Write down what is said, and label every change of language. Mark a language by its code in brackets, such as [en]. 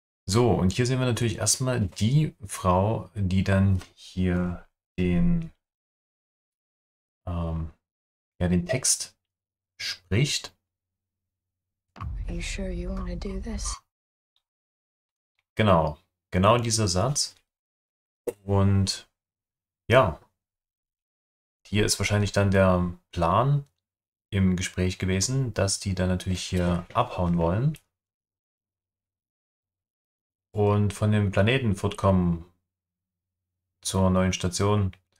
[de] So, und hier sehen wir natürlich erstmal die Frau, die dann hier den, ja, den Text spricht. [en] Are you sure you want to do this? [de] Genau, genau dieser Satz. Und ja, hier ist wahrscheinlich dann der Plan im Gespräch gewesen, dass die dann natürlich hier abhauen wollen und von dem Planeten fortkommen zur neuen Station.